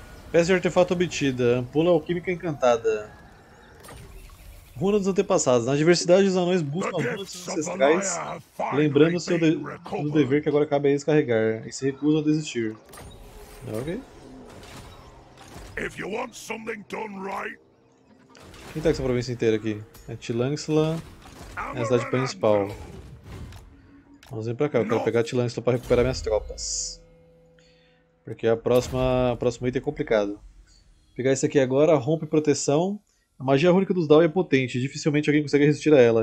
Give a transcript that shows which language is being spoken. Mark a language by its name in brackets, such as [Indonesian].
[Portuguese] Peça de artefato obtida. Ampula alquímica encantada. Runa dos antepassados. Na diversidade, os anões buscam runas dos ancestrais, lembrando do dever que agora cabe a eles carregar, e se recusam a desistir. Ok. [English] If you want something done right. [Portuguese] Quem tá com essa província inteira aqui? É Tlanxla, é a cidade principal. Vamos vir pra cá, eu quero pegar Tlanxla pra recuperar minhas tropas. Porque o próximo item é complicado. Vou pegar esse aqui agora, rompe proteção. A magia rúnica dos Dawn é potente, dificilmente alguém consegue resistir a ela.